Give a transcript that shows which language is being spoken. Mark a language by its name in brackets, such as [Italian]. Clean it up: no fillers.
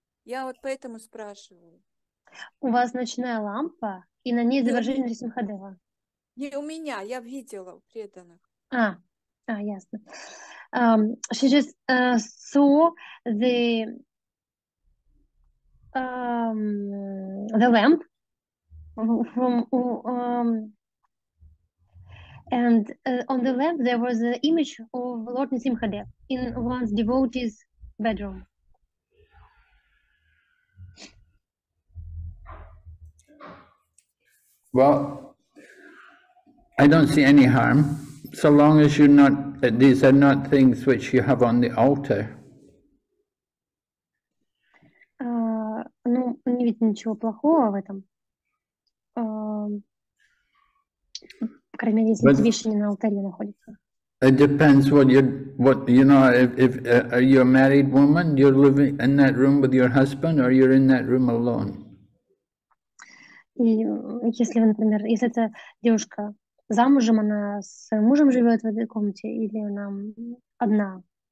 [Russian] Я вот поэтому спрашиваю. У вас ночная лампа и на ней изображение Нирсимхадева? Не у меня, я видела у преданных. А, ясно. [English] She just saw the lamp from and on the lamp there was an image of Lord Nisimhadev in one's devotee's bedroom. Well, I don't see any harm, so long as you're not, these are not things which you have on the altar. [Russian] Ну, не видно ничего плохого в этом. Кроме того, эти вещи не на алтаре находятся. [English] It depends if are you a married woman, you're living in that room with your husband, or you're in that room alone? [Russian] И если, например, если это девушка замужем, она с мужем живет в этой комнате или она одна?